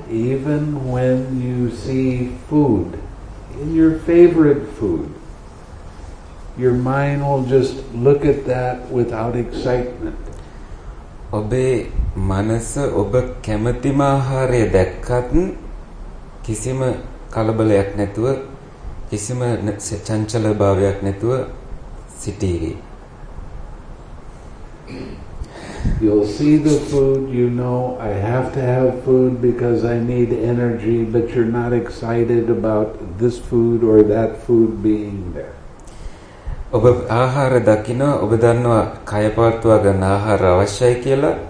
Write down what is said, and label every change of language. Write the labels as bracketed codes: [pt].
[en] Even when you see food, in your favorite food, your mind will just look at that without excitement. [si] ඔබේ මනස ඔබ කැමතිම ආහාරය දැක්කත් කිසිම කලබලයක් නැතුව කිසිම චංචල භාවයක් නැතුව සිටීවි. [en] You'll see the food, you know, I have to have food because I need energy, but you're not excited about this food or that food being there. [si] ඔබ ආහාර දකින්න ඔබ දන්නවා කය පවත්වා ගන්න ආහාර අවශ්‍යයි කියලා.